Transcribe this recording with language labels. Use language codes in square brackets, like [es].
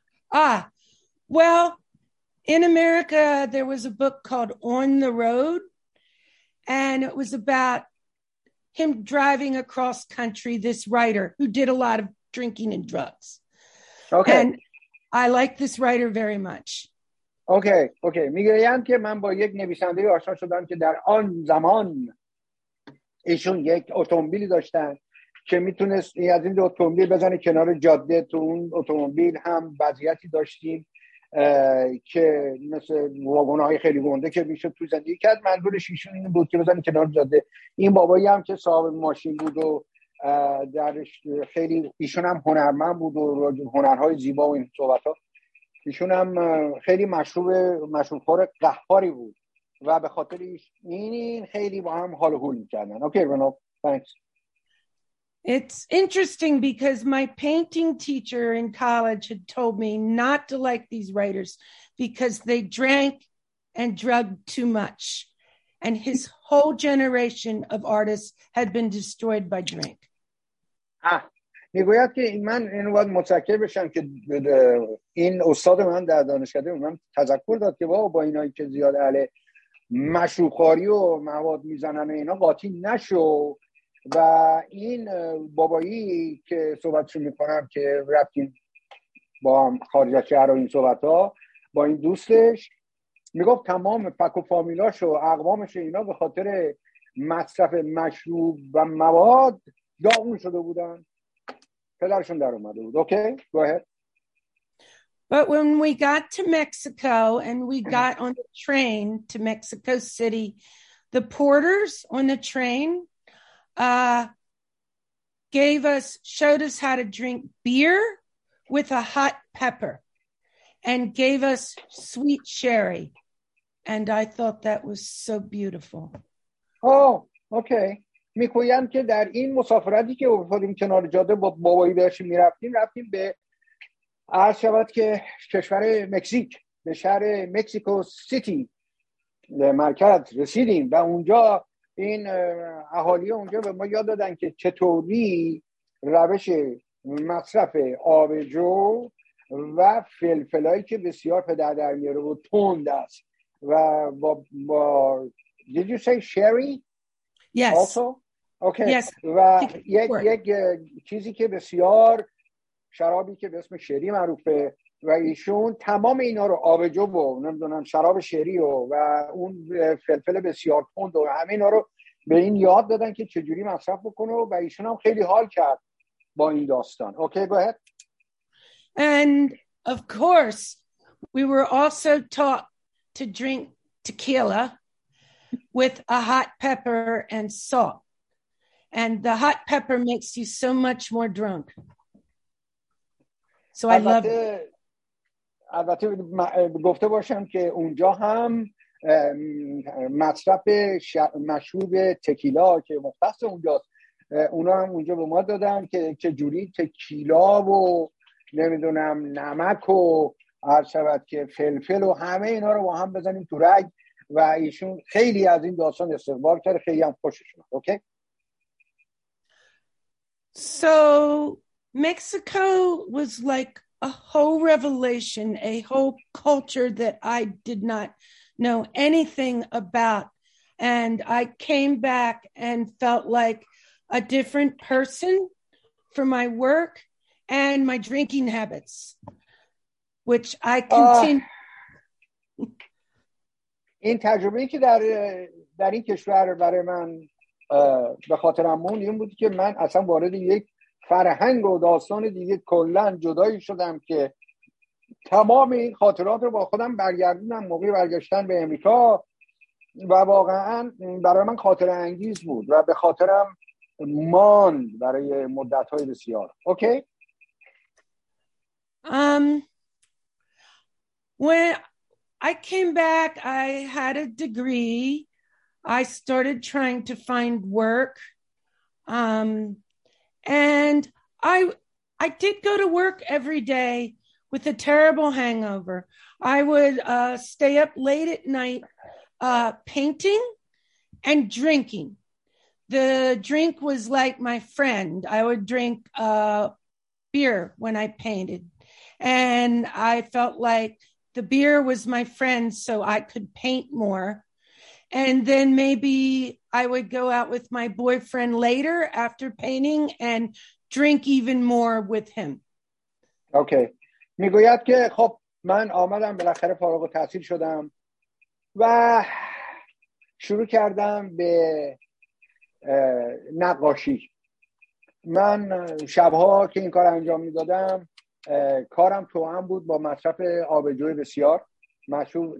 [en] Well, in America, there was a book called On the Road, and it was about him driving across country, this writer who did a lot of drinking and drugs. Okay. And I like this writer very much. Okay. [fa] میگویم که من با یک نویسنده آشنا شدم که در آن زمان ایشون یک اتومبیلی داشتن که میتونست از این اتومبیل بزنه کنار جاده. تو اون اتومبیل هم وضعیتی داشتیم که مثل واگن‌های خیلی گنده که میشد تو زندگی کرد. منظورش ایشون این بود که بزنه کنار جاده. این بابایی هم که صاحب ماشین بود و درش خیلی ایشون هم هنرمند بود و هنرهای زیبا و این صحبت ها، ایشون هم خیلی مشروب‌خور قهاری بود و به خاطر این خیلی با هم حال و حول می‌کردن. [en] Okay رنوب، thanks. It's interesting because my painting teacher in college had told me not to like these writers because they drank and drugged too much. And his whole generation of artists had been destroyed by drink. آه. [fa] میگوید که من این وقت متذکر بشم که این استاد من در دانشگاه من تذکر داد که با اینایی که زیاد اهل مشروب‌خواری و مواد میزنن و اینا قاطی نشو. و این بابایی که صحبتش میکنم که رفتیم با هم خارج از شهر و این صحبت ها با این دوستش، میگفت تمام پک و فامیلاش و اقوامش اینا به خاطر مصرف مشروب و مواد داغون شده بودن، پدرشون در اومده بود. [en] Okay go ahead. But when we got to Mexico and we got on the train to Mexico City, the porters on the train showed us how to drink beer with a hot pepper and gave us sweet sherry. And I thought that was so beautiful. Oh, okay. [fa] میگویند که در این مسافرتی که افتادیم کنار جاده با بابایی داشتیم رفتیم به عرض شود که کشور مکزیک، به شهر مکزیکو سیتی مرکز رسیدیم و اونجا این اهالی اونجا به ما یاد دادن که چطوری روش مصرف آبجو و فلفلایی که بسیار پدر در میاره و تند است و با [en] Did you say sherry? Yes. Also? Okay. Yes. [fa] و یک چیزی که بسیار شرابی که به اسم شری معروفه و ایشون تمام اینا رو آبجو و نمیدونم شراب شری و اون فلفل بسیار تند و همه اینا رو به این یاد دادن که چجوری مصرف بکنه و ایشون هم خیلی حال کرد با این داستان. [en] Okay go ahead. And of course we were also taught to drink tequila with a hot pepper and salt. And the hot pepper makes you so much more drunk. So I love it. [fa] البته گفته باشم که اونجا هم مصرف مشروب تکیلا که مختص اونجاست اونا هم اونجا به ما دادن که چه جوری تکیلا و نمیدونم نمک و هر شبت که فلفل و همه اینا رو با هم بزنیم تو رگ و ایشون خیلی از این داستان استقبال کرد، خیلی هم خوشش اومد. [en] Okay So Mexico was like a whole revelation, a whole culture that I did not know anything about. And I came back and felt like a different person for my work and my drinking habits, which I continue. [fa] این تجربه‌ای که در این کشور برای من به خاطرم مون این بود که من اصلا وارد یک فرهنگ و داستان دیگه کلن جدایی شدم که تمام این خاطرات رو با خودم برگردونم موقعی برگشتن به امریکا و واقعا برای من خاطره انگیز بود و به خاطرم ماند برای مدت‌های بسیار. [en] Okay? When I came back, I had a degree. I started trying to find work. And I did go to work every day with a terrible hangover. I would stay up late at night painting and drinking. The drink was like my friend. I would drink beer when I painted. And I felt like the beer was my friend, so I could paint more. And then maybe I would go out with my boyfriend later after painting and drink even more with him. Okay. [fa] میگوید که خب من آمدم بالاخره فارغ التحصیل شدم و شروع کردم به نقاشی. من شبها که این کار انجام میدادم کارم توأم بود با مصرف آبجو بسیار مشهور.